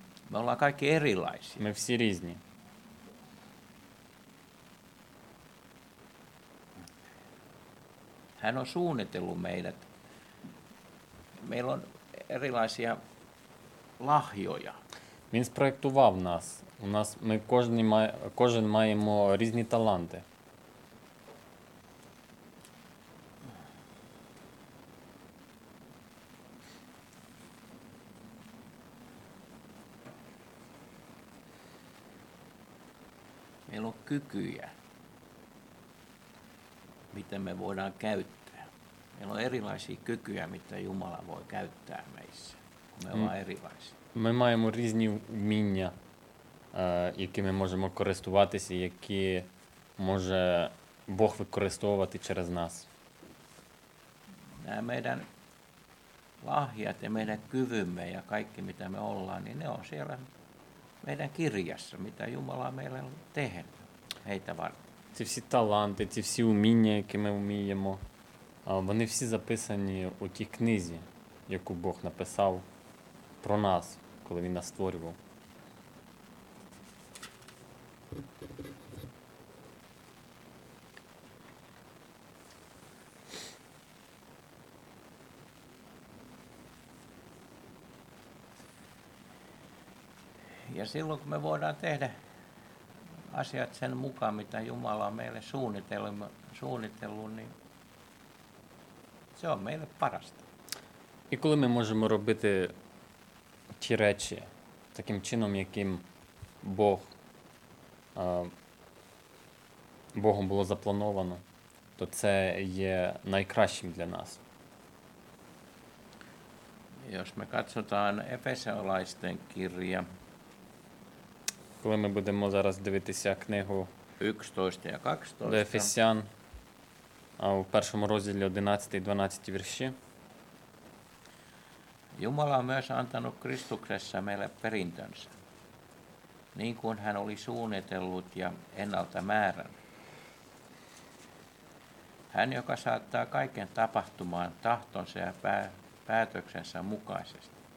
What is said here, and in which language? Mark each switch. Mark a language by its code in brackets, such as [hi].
[fi] Me ollaan kaikki erilaisia. [uk] Ми всі різні. [fi] Hän on suunnitellut meidät. Meillä on erilaisia lahjoja. [uk] Він спроєктував нас. У нас ми кожен маємо різні таланти. [fi] Meillä on kykyjä, miten me voidaan käyttää. Meillä on erilaisia kykyjä, mitä Jumala voi käyttää meissä, kun me ollaan erilaisia. [uk] Ми маємо різні вміння, які ми можемо користуватися, які може Бог використовувати через нас. [fi] Nämä meidän lahjat ja meidän kyvymme ja kaikki, mitä me ollaan, niin ne on siellä meidän kirjassa, mitä Jumala on meille tehnyt heitä varten. [uk] Ці всі таланти, ці всі вміння, які ми вміємо, вони всі записані у тій книзі, яку Бог написав про нас, коли Він нас створював. [fi] Ja silloin, kun me voidaan tehdä asiat sen mukaan, mitä Jumala on meille suunnitellut, niin se on meille parasta. [uk] І коли ми можемо робити ті речі таким чином, яким Бог, Богом було заплановано, то це є найкращим для нас. [fi] Jos me katsotaan Efesolaisten kirja, [uk] коли ми будемо зараз дивитися книгу 11 і 12 до Ефесян, у першому розділі 11 і 12 вірші. [fi] Jumala on myös antanut Kristuksessa meille perintönsä, niin kuin hän oli suunnitellut ja ennalta määrännyt. Hän, joka saattaa kaiken tapahtumaan tahtonsa ja päätöksensä mukaisesti.